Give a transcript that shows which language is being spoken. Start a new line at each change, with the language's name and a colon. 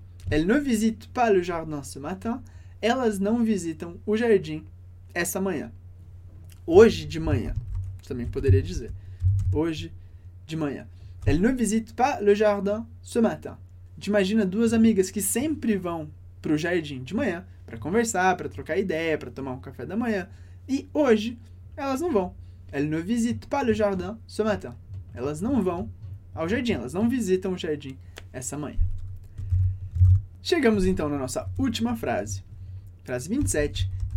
French: Elles ne visitent pas le jardin ce matin. Elles ne visitent pas le jardin ce matin.
Portuguese: Elas não visitam o jardim essa manhã. Hoje de manhã, também poderia dizer. Hoje de manhã.
French: Elles ne visitent pas le jardin ce matin.
Portuguese: Imagina duas amigas que sempre vão pro jardim de manhã para conversar, para trocar ideia, para tomar um café da manhã. E hoje elas não vão.
French: Elles ne visitent pas le jardin ce matin.
Portuguese: Elas não vão ao jardim, elas não visitam o jardim essa manhã. Chegamos então na nossa última frase. Frase 27.